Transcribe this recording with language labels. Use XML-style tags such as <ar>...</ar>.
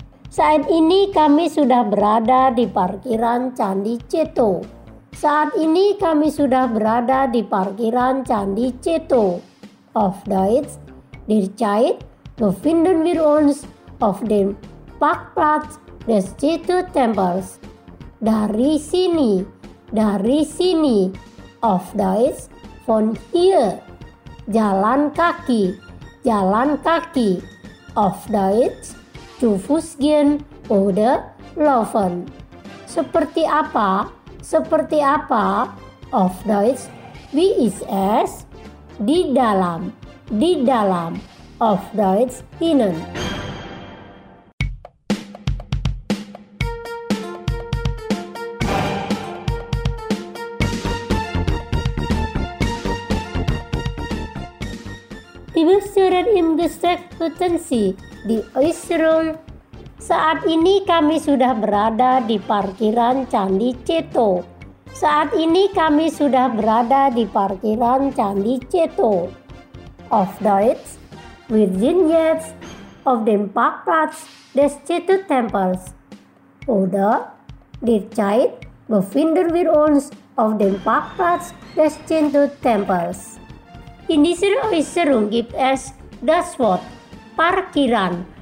<id>Saat ini kami sudah berada di parkiran Candi Ceto. Saat ini kami sudah berada di parkiran Candi Ceto.</id> <de>Auf Deutsch, derzeit befinden wir uns auf dem Parkplatz des Ceto Tempels.</de> <id>Dari sini,</id> <de>auf Deutsch, von hier.</de> <id>Jalan kaki,</id> <de>auf Deutsch, zu Fuß gehen oder laufen.</de> <id>Seperti apa? Seperti apa?</id> <de>Auf Deutsch, wie ist es?</de> <id>Di dalam,</id> <de>auf Deutsch, innen. Die Besucher im Gespräch hatten sie die Äußerung</de> <id>Saat ini kami sudah berada di parkiran Candi Ceto. Saat ini kami sudah berada di parkiran Candi Ceto.</id> <de>Auf Deutsch, wir sind jetzt auf dem Parkplatz des Ceto Tempels. Oder, die Zeit befinden wir uns auf dem Parkplatz des Ceto Tempels. In dieser Äußerung gibt es das Wort Parkiran.</de>